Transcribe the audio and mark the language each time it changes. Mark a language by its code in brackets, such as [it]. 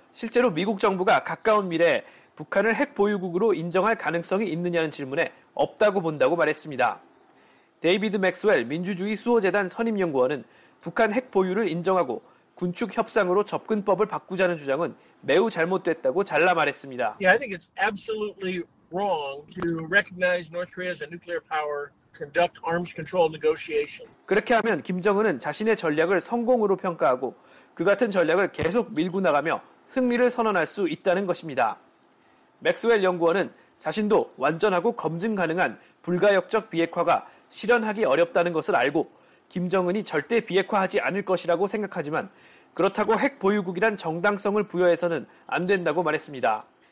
[ko] 실제로 미국 정부가 가까운 미래에 북한을 핵 보유국으로 인정할 가능성이 있느냐는 질문에 없다고 본다고 말했습니다. 데이비드 맥스웰 민주주의 수호재단 선임연구원은 북한 핵 보유를 인정하고 군축 협상으로 접근법을 바꾸자는 주장은 매우 잘못됐다고 잘라 말했습니다. [en] Yeah, I think it's absolutely wrong to recognize North Korea as a nuclear power, conduct arms control negotiation. [ko] 그렇게 하면 김정은은 자신의 전략을 성공으로 평가하고 그 같은 전략을 계속 밀고 나가며 승리를 선언할 수 있다는 것입니다. 맥스웰 연구원은 자신도 완전하고 검증 가능한 불가역적 비핵화가 실현하기 어렵다는 것을 알고 김정은이 절대 비핵화하지 않을 것이라고 생각하지만 그렇다고 핵 보유국이란 정당성을 부여해서는 안 된다고 말했습니다.